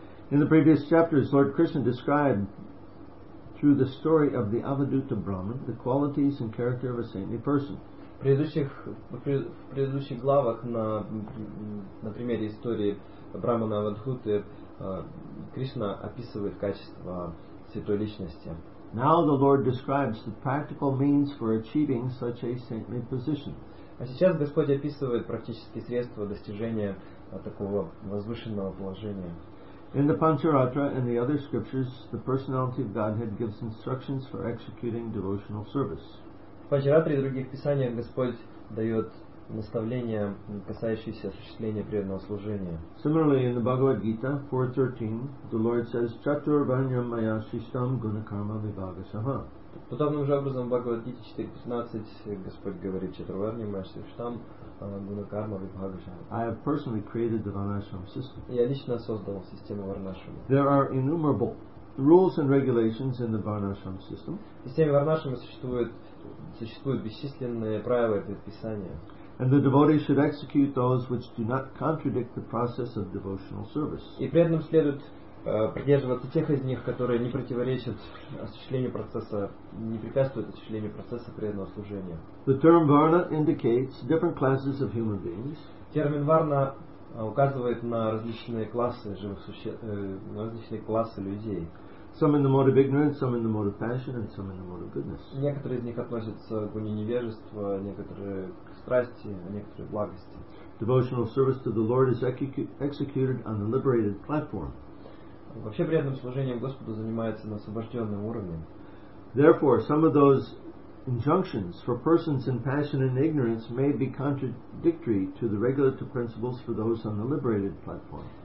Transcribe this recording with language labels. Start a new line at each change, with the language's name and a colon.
English: In the previous chapters, Lord Krishna described through the story of the Avadhuta Brahman the qualities and character of a saintly person.
Russian: В предыдущих главах на примере истории Брахмана Авадхуты Кришна описывает качества святой личности.
English: Now the Lord describes the practical means for achieving such a saintly position.
Russian: А сейчас Господь описывает практические средства достижения такого возвышенного положения.
English: In the Pancharatra and the other scriptures, the personality of Godhead gives instructions for executing devotional service.
Russian: В Панчаратре и других писаниях Господь дает наставления, касающиеся осуществления преданного служения.
English: Similarly, in the Bhagavad Gita 4.13, the Lord says,
Sanskrit: Chaturvanyam mayashishtam gunakarma vibhagasaha.
Russian: Подобным же образом в Бхагавад-гите 4.15 Господь говорит,
Sanskrit: Чатурварни Маштиштам Гунакарма Вибхагашам.
English: I have personally created the Varnashram system.
Russian: Я лично создал систему Варнашрама.
English: There are innumerable rules and regulations in the Varnashram system.
Russian: В системе Варнашрама существуют бесчисленные правила и предписания.
English: And the devotee should execute those which do not contradict the process of devotional service.
Russian: И преданным следует придерживаться тех из них, которые не противоречат осуществлению процесса, не препятствуют осуществлению процесса преданного служения.
English: The term varna indicates different classes of human beings.
Russian: Термин варна указывает на различные классы живых существ, на различные классы людей.
English: Some in the mode of ignorance, some in the mode of passion, and some in the mode of goodness.
Russian: Некоторые из них относятся к уни невежества, некоторые к страсти, а некоторые к благости.
English: Devotional service to the Lord is executed on the liberated platform.
Russian: Вообще преданным служением Господу занимается на освобожденном уровне.
English: Therefore, some of those injunctions for persons in passion and ignorance may be contradictory to the regulative principles for those on the liberated platform.